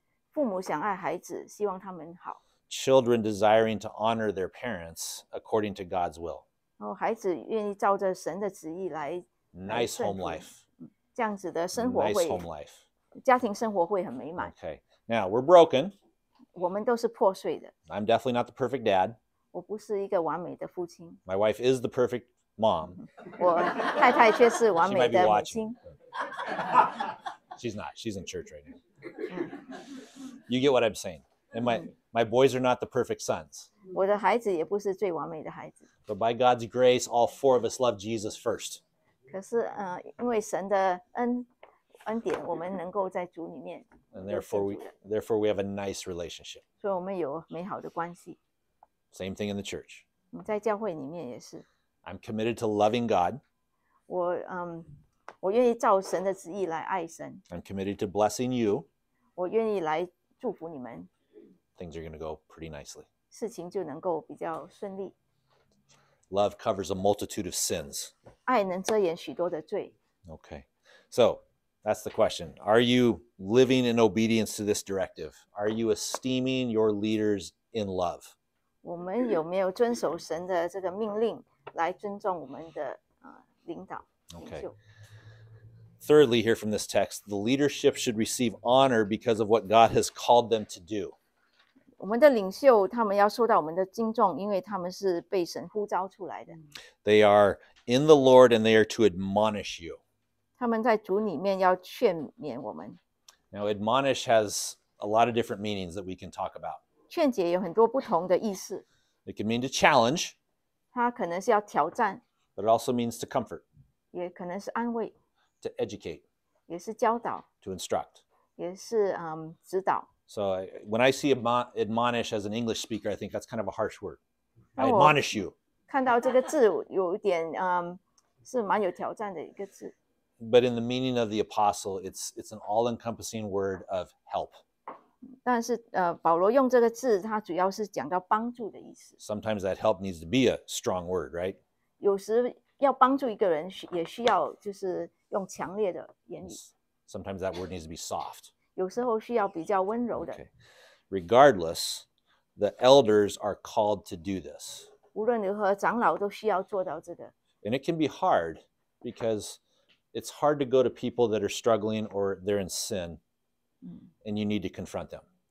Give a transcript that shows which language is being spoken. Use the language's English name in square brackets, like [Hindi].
[Chinese] 父母想爱孩子，希望他们好。 [English] Children desiring to honor their parents according to God's will. [Chinese] 哦，孩子愿意照着神的旨意来。 [English] Nice home life. [Chinese] 这样子的生活会。 [English] Nice home life. [Chinese] 家庭生活会很美满。 [English] Okay. Now, we're broken. [Chinese] 我们都是破碎的。 [English] I'm definitely not the perfect dad. [Chinese] 我不是一个完美的父亲。 [English] My wife is the perfect mom. [Chinese] 我太太却是完美的母亲。 [English] She's not. She's in church right now. You get what I'm saying. And my boys are not the perfect sons. [Chinese] 我的孩子也不是最完美的孩子。 [English] But by God's grace, all four of us love Jesus first. [Chinese] 可是，因为神的恩典，我们能够在主里面。 [English] And therefore we have a nice relationship. [Chinese] 所以我们有美好的关系。 [English] Same thing in the church. [Chinese] 在教会里面也是。 [English] I'm committed to loving God. [Chinese] 我愿意照神的旨意来爱神。 [English] I'm committed to blessing you. [Chinese] 我愿意来祝福你们。 [English] Things are going to go pretty nicely. [Chinese] 事情就能够比较顺利。 [English] Love covers a multitude of sins. [Chinese] 爱能遮掩许多的罪。 [English] Okay. So, that's the question. Are you living in obedience to this directive? Are you esteeming your leaders in love? [Chinese] 我们有没有遵守神的这个命令来尊重我们的领导、 okay. 领袖。 [English] Thirdly, here from this text, the leadership should receive honor because of what God has called them to do. [Chinese] 我们的领袖他们要受到我们的敬重，因为他们是被神呼召出来的。 [English] They are in the Lord and they are to admonish you. [Chinese] 他们在主里面要劝勉我们。 [English] Now, admonish has a lot of different meanings that we can talk about. [Chinese] 劝解有很多不同的意思。 [English] It can mean to challenge. [Chinese] 它可能是要挑战。 [English] But it also means to comfort. [Chinese] 也可能是安慰。 [English] To educate, [Chinese] 也是教导, [English] to instruct, [Chinese] 也是, 指导。 [English] So when I see admonish as an English speaker, I think that's kind of a harsh word. I admonish you. [Chinese] 看到这个字有点, 是蛮有挑战的一个字。 [English] But in the meaning of the apostle, it's an all-encompassing word of help. [Chinese] 但是, 保罗用这个字，他主要是讲到帮助的意思。 [English] Sometimes that help needs to be a strong word, right? [Chinese] 有时要帮助一个人也需要就是用强烈的言语。 [English] Sometimes that word needs to be soft. [Chinese] 有时候需要比较温柔的。 [English] Okay. Regardless, the elders are called to do this. [Chinese] 无论如何，长老都需要做到这个。 [English] And it can be hard because it's hard to go to people that are struggling or they're in sin, and you need to confront them.